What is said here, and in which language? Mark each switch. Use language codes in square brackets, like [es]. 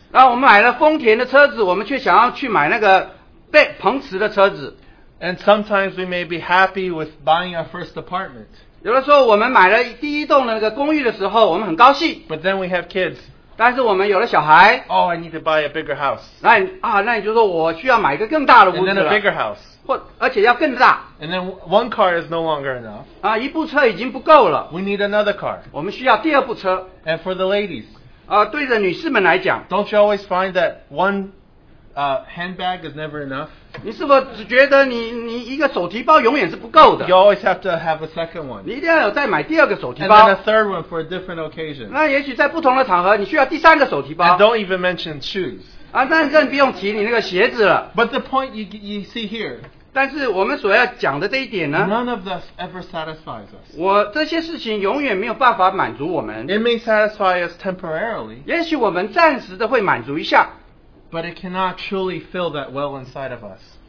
[zh] 然后我们买了丰田的车子，我们却想要去买那个奔驰的车子。 [en] And sometimes we may be happy with buying our first apartment. [zh] 有的时候我们买了第一栋那个公寓的时候，我们很高兴。 [en] But then we have kids. [zh] 但是我们有了小孩。 [en] Oh, I need to buy a bigger house. [zh] 那你就说我需要买一个更大的屋子了。 [en] And then a bigger house. [zh] 或而且要更大。 [en] And then one car is no longer enough. [zh] 啊，一部车已经不够了。 [en] We need another car. [zh] 我们需要第二部车。 [en] And for the ladies. [zh] 对着女士们来讲, [en] don't you always find that one handbag is never enough? [zh] 你是不是觉得你一个手提包永远是不够的? [en] You always have to have a second one. [zh] 你一定要有再买第二个手提包。 [en] And then a third one for a different occasion. [zh] 那也许在不同的场合你需要第三个手提包。 [en] And don't even mention shoes. [zh] 啊，但更不用提你那个鞋子了。 [en] But the point you see here, [zh] 但是我们所要讲的这一点呢, [en] none of this ever satisfies us. [zh] 我这些事情永远没有办法满足我们。 [en] It may satisfy us temporarily. [zh] 也许我们暂时的会满足一下。 [en] But it cannot truly fill that well inside of us.